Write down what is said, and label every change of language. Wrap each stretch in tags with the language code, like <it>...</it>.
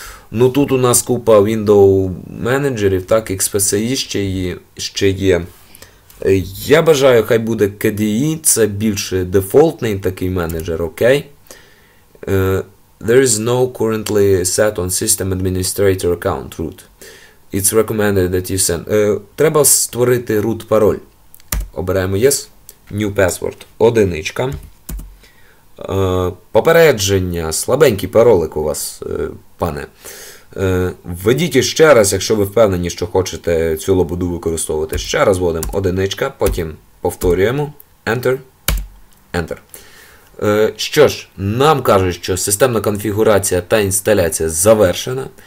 <uk>Ну, тут у нас купа Window менеджерів, так, XPSI ще є. Я бажаю, хай буде KDE, це більше дефолтний такий менеджер, окей.</uk> <en>There is no currently set on system administrator account root. It's recommended that you send.</en> <uk>Треба створити root пароль. Обираємо</uk> <en>yes, new password,</en> <uk>одиничка. Попередження, слабенький паролик у вас, пане. Введіть ще раз, якщо ви впевнені, що хочете цю лабуду використовувати. Ще раз вводимо одиничка, потім повторюємо, enter. Що ж, нам кажуть, що системна конфігурація та інсталяція завершена.</uk>